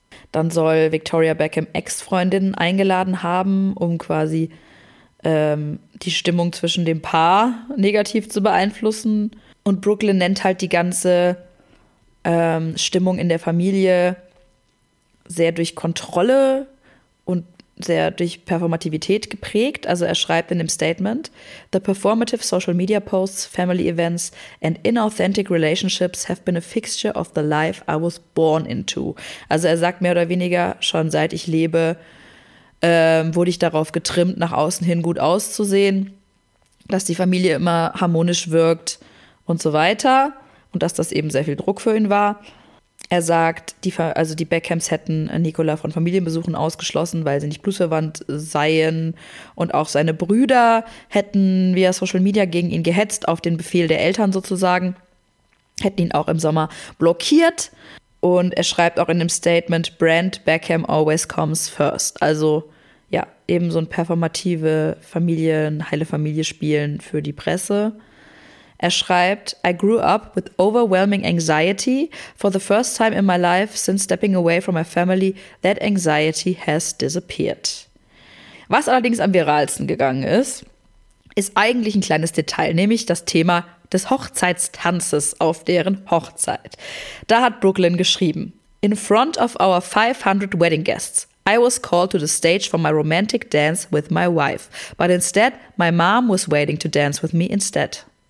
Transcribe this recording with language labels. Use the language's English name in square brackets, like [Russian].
[German] Dann soll Victoria Beckham Ex-Freundinnen eingeladen haben, um quasi die Stimmung zwischen dem Paar negativ zu beeinflussen. Und Brooklyn nennt halt die ganze Stimmung in der Familie sehr durch Kontrolle und sehr durch Performativität geprägt. Also er schreibt in dem Statement: [English] The performative social media posts, family events and inauthentic relationships have been a fixture of the life I was born into. [German] Also er sagt mehr oder weniger, schon seit ich lebe, wurde ich darauf getrimmt, nach außen hin gut auszusehen, dass die Familie immer harmonisch wirkt und so weiter. Und dass das eben sehr viel Druck für ihn war. Er sagt, die Beckhams hätten Nicola von Familienbesuchen ausgeschlossen, weil sie nicht blutsverwandt seien. Und auch seine Brüder hätten via Social Media gegen ihn gehetzt, auf den Befehl der Eltern sozusagen. Hätten ihn auch im Sommer blockiert. Und er schreibt auch in dem Statement, [English] Brand Beckham always comes first. [German] Also ja, eben so ein performative Familien, heile Familie spielen für die Presse. Er schreibt, [English] I grew up with overwhelming anxiety. For the first time in my life, since stepping away from my family, that anxiety has disappeared. [German] Was allerdings am viralsten gegangen ist, ist eigentlich ein kleines Detail, nämlich das Thema des Hochzeitstanzes auf deren Hochzeit. Da hat Brooklyn geschrieben, [English] In front of our 500 wedding guests, I was called to the stage for my romantic dance with my wife, but instead my mom was waiting to dance with me instead.